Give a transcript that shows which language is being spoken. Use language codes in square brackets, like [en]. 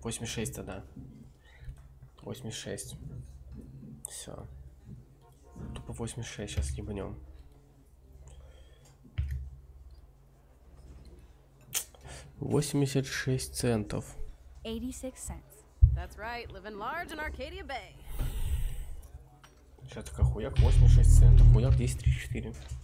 [ru] 86 тогда. 86. Все. Тупо 86, сейчас ебанем. Восемьдесят шесть центов. [en] 86 cents. That's right, living large in Arcadia Bay. [ru] Сейчас такая хуяк, 86 центов, хуяк, 10:34.